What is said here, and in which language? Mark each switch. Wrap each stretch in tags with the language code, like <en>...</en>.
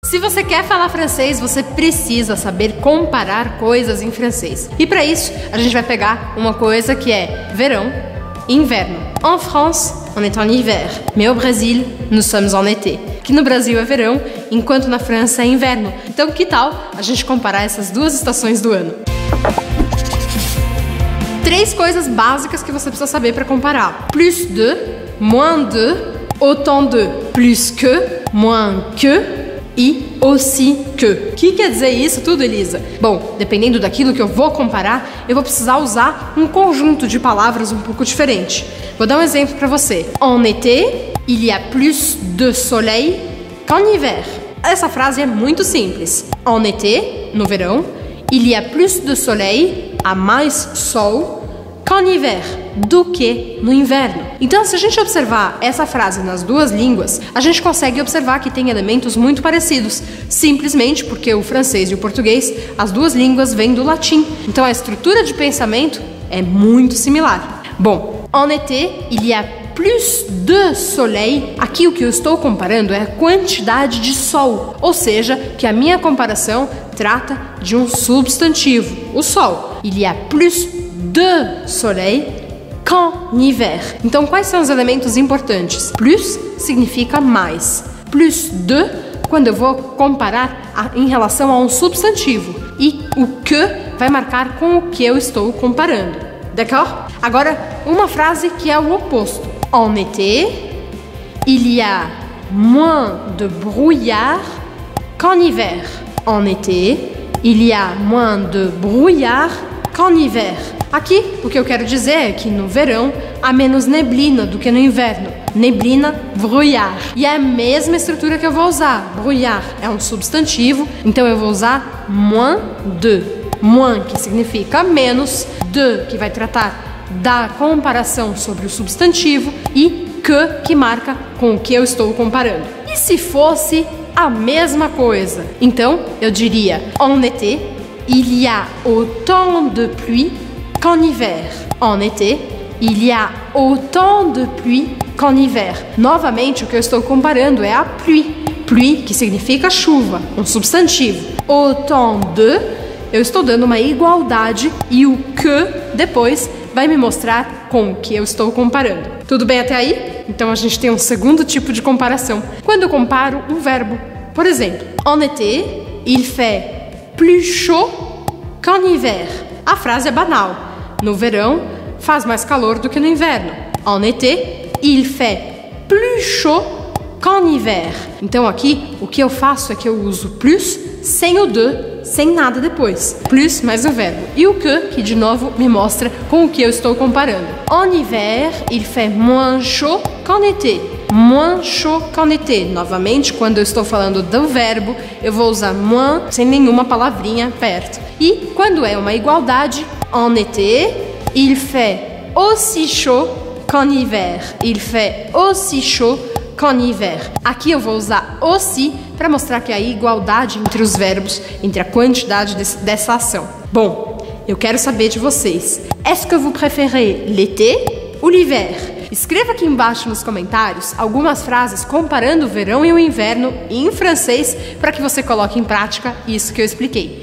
<pt>Se você quer falar francês, você precisa saber comparar coisas em francês. E para isso, a gente vai pegar uma coisa que é verão, inverno.</pt> <fr>En France, on est en hiver. Mais au Brésil, nous sommes en été.</fr> <pt>Que no Brasil é verão, enquanto na França é inverno. Então, que tal a gente comparar essas duas estações do ano? Três coisas básicas que você precisa saber para comparar.</pt> <fr>Plus de, moins de, autant de. Plus que, moins que. E aussi que.</fr> <pt>O que quer dizer isso tudo, Elisa? Bom, dependendo daquilo que eu vou comparar, eu vou precisar usar um conjunto de palavras um pouco diferente. Vou dar um exemplo pra você.</pt> <fr>En été, il y a plus de soleil qu'en hiver.</fr> <pt>Essa frase é muito simples.</pt> <fr>En été,</fr> <pt>no verão,</pt> <fr>il y a plus de soleil,</fr> <pt>há mais sol,</pt> <fr>qu'en hiver,</fr> <pt>do que no inverno. Então, se a gente observar essa frase nas duas línguas, a gente consegue observar que tem elementos muito parecidos, simplesmente porque o francês e o português, as duas línguas vêm do latim. Então, a estrutura de pensamento é muito similar. Bom,</pt> <fr>en été, il y a plus de soleil.</fr> <pt>Aqui o que eu estou comparando é a quantidade de sol, ou seja, que a minha comparação trata de um substantivo, o sol.</pt> <fr>Il y a plus de soleil qu'en hiver.</fr> <pt>Então, quais são os elementos importantes? Plus significa mais. Plus de, quando eu vou comparar em relação a um substantivo. E o que vai marcar com o que eu estou comparando. D'accord? Agora, uma frase que é o oposto.</pt> <fr>En été, il y a moins de brouillard qu'en hiver. En été, il y a moins de brouillard qu'en hiver.</fr> <pt>Aqui, o que eu quero dizer é que no verão há menos neblina do que no inverno. Neblina, brouillard. E é a mesma estrutura que eu vou usar. Brouillard é um substantivo, então eu vou usar moins de. Moins, que significa menos. De, que vai tratar da comparação sobre o substantivo. E que marca com o que eu estou comparando. E se fosse a mesma coisa? Então, eu diria</pt> <fr>en été, il y a autant de pluie qu'en hiver. En été, il y a autant de pluie qu'en hiver.</fr> <pt>Novamente, o que eu estou comparando é a pluie. Pluie, que significa chuva, um substantivo. Autant de, eu estou dando uma igualdade e o que depois vai me mostrar com o que eu estou comparando. Tudo bem até aí? Então a gente tem um segundo tipo de comparação. Quando eu comparo um verbo, por exemplo,</pt> <fr>en été, il fait plus chaud qu'en hiver.</fr> <pt>A frase é banal. No verão, faz mais calor do que no inverno.</pt> <fr>En été, il fait plus chaud qu'en hiver.</fr> <pt>Então aqui, o que eu faço é que eu uso plus sem o de, sem nada depois. Plus mais o verbo. E o que de novo me mostra com o que eu estou comparando.</pt> <fr>En hiver, il fait moins chaud qu'en été. Moins chaud qu'en été.</fr> <pt>Novamente, quando eu estou falando do verbo, eu vou usar moins sem nenhuma palavrinha perto. E quando é uma igualdade,</pt> <fr>en été, il fait aussi chaud qu'en hiver. Il fait aussi chaud qu'en hiver.</fr> <pt>Aqui eu vou usar aussi para mostrar que há igualdade entre os verbos, entre a quantidade dessa ação. Bom, eu quero saber de vocês.</pt> <fr>Est-ce que vous préférez l'été ou l'hiver?</fr> <pt>Escreva aqui embaixo nos comentários algumas frases comparando o verão e o inverno em francês para que você coloque em prática isso que eu expliquei.</pt>